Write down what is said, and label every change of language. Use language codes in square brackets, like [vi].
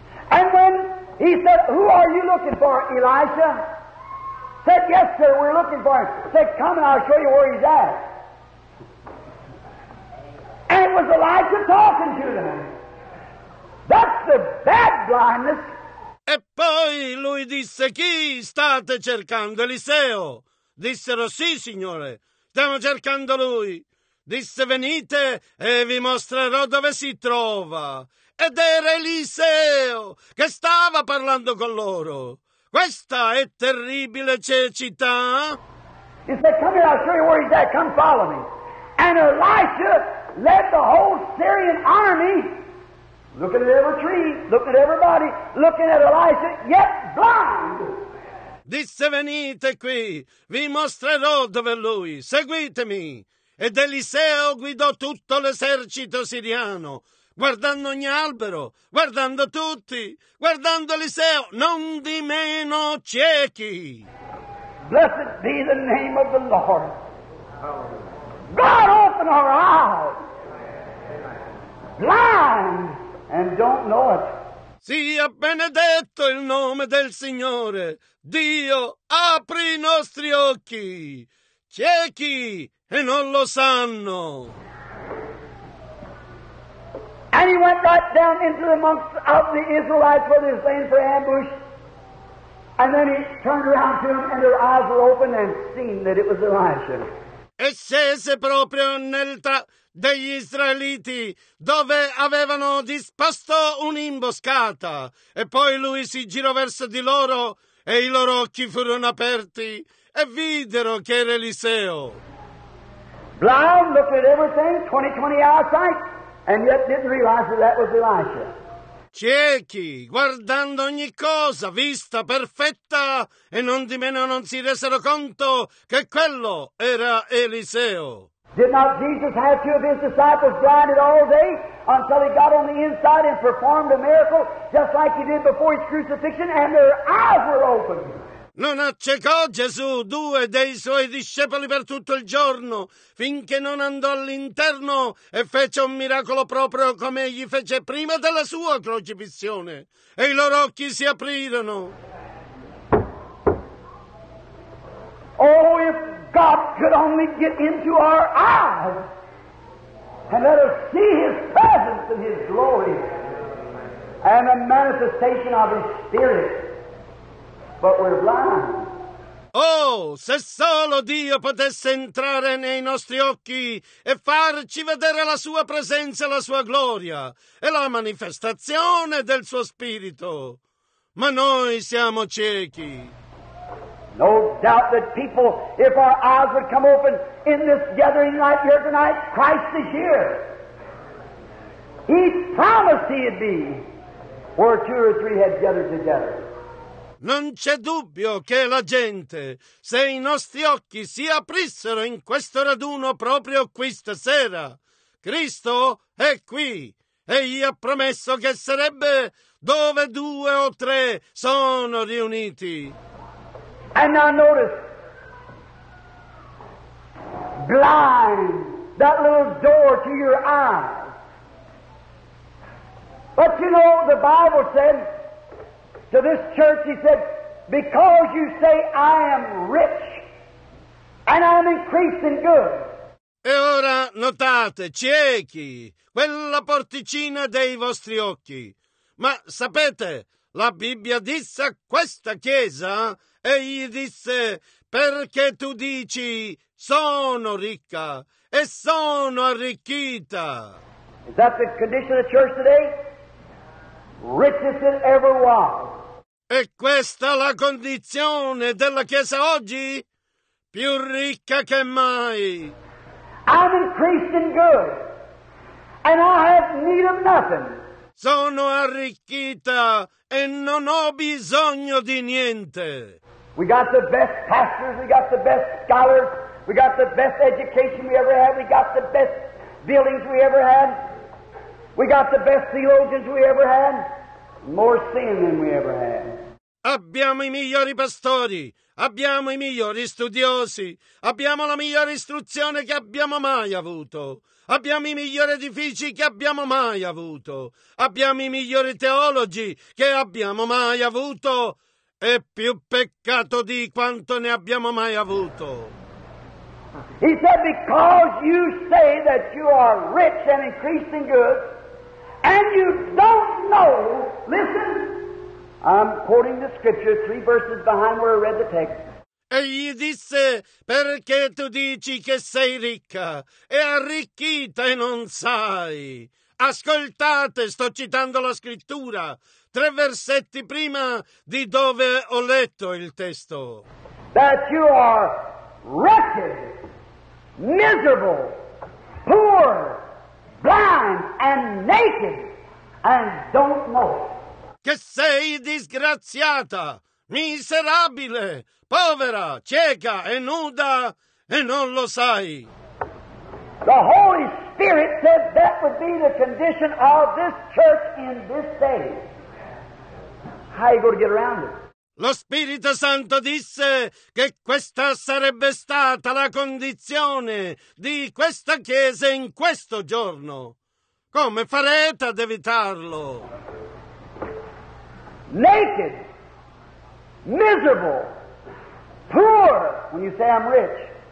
[en] And when he said, who are you looking for, Elijah? Said, yes, sir, we're looking for him. Said, come and I'll show you where he's at. And it was Elijah talking to them. That's the bad blindness. [it] E poi lui disse, chi state cercando? Eliseo. Dissero, sì, signore, stiamo cercando lui. Disse, venite e vi mostrerò dove si trova. Ed era Eliseo che stava parlando con loro. Questa è terribile cecità. [en] He said, come here, I'll show you where he's at. Come follow me. And Elisha led the whole Syrian army. Looking at every tree, looking at everybody, looking at Elisha, yet blind. [it] Disse, venite qui, vi mostrerò dove lui, seguitemi. Ed Eliseo guidò tutto l'esercito siriano, guardando ogni albero, guardando tutti, guardando Eliseo, non di meno ciechi. [en] Blessed be the name of the Lord. God, open our eyes. Blind. And don't know it. [it] Sia benedetto il nome del Signore. Dio, apri i nostri occhi. Ciechi e non lo sanno. [en] And he went right down into the monks of the Israelites where they were laying for ambush. And then he turned around to them and their eyes were open and seen that it was Elisha. [it] E scese proprio nel degli israeliti dove avevano disposto un'imboscata e poi lui si girò verso di loro e i loro occhi furono aperti e videro che era Eliseo. [en] Blind, looked at everything, 20-20 eyesight, and yet didn't realize that that was Elisha. [it] Ciechi, guardando ogni cosa, vista perfetta, e non di meno non si resero conto che quello era Eliseo. [en] Did not Jesus have two of his disciples blinded all day until he got on the inside and performed a miracle just like he did before his crucifixion, and their eyes were opened? [it] Non accecò Gesù due dei suoi discepoli per tutto il giorno, finché non andò all'interno e fece un miracolo proprio come egli fece prima della sua crocifissione, e i loro occhi si aprirono. [en] Oh, if God could only get into our eyes and let us see his presence and his glory and the manifestation of his spirit. But we're blind. [it] Oh, se solo Dio potesse entrare nei nostri occhi e farci vedere la sua presenza e la sua gloria e la manifestazione del suo spirito. Ma noi siamo ciechi. [en] No doubt that people, if our eyes would come open in this gathering right here tonight, Christ is here. He promised he'd be where two or three had gathered together. [it] Non c'è dubbio che la gente, se i nostri occhi si aprissero in questo raduno proprio qui stasera, Cristo è qui e gli ha promesso che sarebbe dove due o tre sono riuniti. [en] And now notice, blind, that little door to your eyes. But you know, the Bible said, to this church, he said, because you say I am rich and I am increased in good. [it] E ora notate, ciechi, quella porticina dei vostri occhi. Ma sapete, la Bibbia disse a questa chiesa, e gli disse, perché tu dici, sono ricca e sono arricchita. [en] Is that the condition of the church today? Richest it ever was. [it] È questa la condizione della Chiesa oggi? Più ricca che mai. [en] I'm increased in good, and I have need of nothing. [it] Sono arricchita e non ho bisogno di niente. [en] We got the best pastors, we got the best scholars, we got the best education we ever had, we got the best buildings we ever had, we got the best theologians we ever had, more sin than we ever had. [it] Abbiamo i migliori pastori, abbiamo i migliori studiosi, abbiamo la migliore istruzione che abbiamo mai avuto, abbiamo i migliori edifici che abbiamo mai avuto, abbiamo i migliori teologi che abbiamo mai avuto, e più peccato di quanto ne abbiamo mai avuto. [en] He said, because you say that you are rich and increasing good, and you don't know, listen, I'm quoting the scripture, three verses behind where I read the text. [it] E gli disse, perché tu dici che sei ricca e arricchita e non sai? Ascoltate, sto citando la scrittura, tre versetti prima di dove ho letto il testo. [en] That you are wretched, miserable, poor, blind and naked and don't know. [it] Che sei disgraziata, miserabile, povera, cieca e nuda, e non lo sai. [en] The Holy Spirit said that would be the condition of this church in this day. How are you going to get around it? [it] Lo Spirito Santo disse che questa sarebbe stata la condizione di questa chiesa in questo giorno. Come farete ad evitarlo? [en] Naked, miserable, poor, when you say I'm rich.